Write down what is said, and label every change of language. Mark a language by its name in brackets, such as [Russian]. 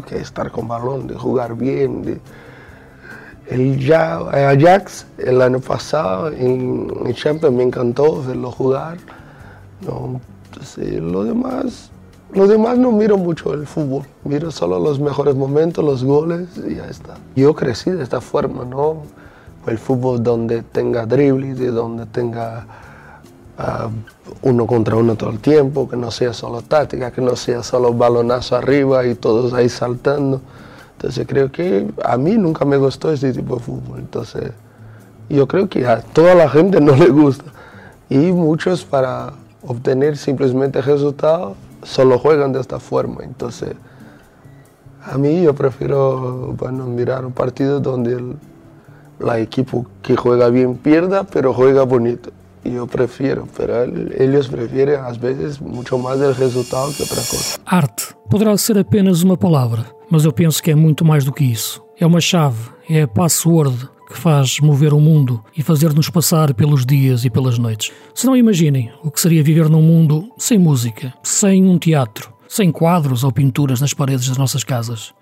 [Portuguese] Que é estar com o balão, de jogar bem. De... O Ajax, el ano passado, em Champions, me encantou vê-lo jogar. Não? [Spanish] Entonces, lo demás [Portuguese] não miro muito o futebol, miro só os melhores momentos, os goles e já está. Eu cresci desta forma, não? [Spanish] El fútbol donde tenga dribles y donde tenga uno contra uno todo el tiempo, que no sea solo táctica, que no sea solo balonazo arriba y todos ahí saltando. Entonces creo que a mí nunca me gustó ese tipo de fútbol. Entonces yo creo que a toda la gente no le gusta. Y muchos para obtener simplemente resultados solo juegan de esta forma. Entonces a mí yo prefiero mirar un partido donde la equipo que juega bien pierda, pero juega bonito. Yo prefiero, pero ellos prefieren a veces mucho más el resultado que otra cosa. [Portuguese] Arte poderá ser apenas uma palavra, mas eu penso que é muito mais do que isso. É uma chave, é a password que faz mover o mundo e fazer-nos passar pelos dias e pelas noites. Se não imaginem o que seria viver num mundo sem música, sem um teatro, sem quadros ou pinturas nas paredes das nossas casas.